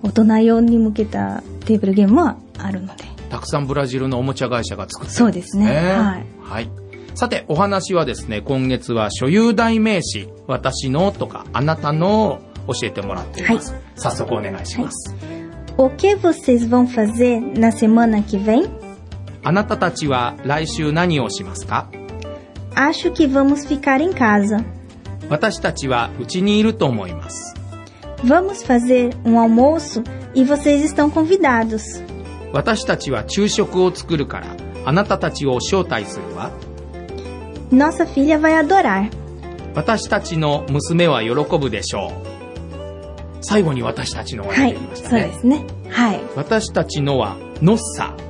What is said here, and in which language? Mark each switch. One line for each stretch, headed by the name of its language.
Japanese: 大人用に向けたテーブルゲームはあるので、たくさんブラジルのおもちゃ会社が作ってる、ね、そうですね、はい、はい。さてお話はですね、今月は所有代名詞、私のとかあなたのを教えてもらっています、はい、早速お願いします、
Portuguese: はい、O que vocês vão fazer na semana que vem?
Japanese: あなたたちは来週何をしますか？
Portuguese: Acho que vamos ficar em casa.
Japanese: 私たちはうちにいると思います。
Portuguese: Vamos fazer um almoço e vocês estão convidados.
Japanese: 私たちは昼食を作るからあなたたちを招待するわ。
Portuguese: Nossa filha vai adorar.
Japanese: 私たちの娘は喜ぶでしょう。最後に私たちのを言いましたね。はい、そうですね。はい。私たちのはノッサ。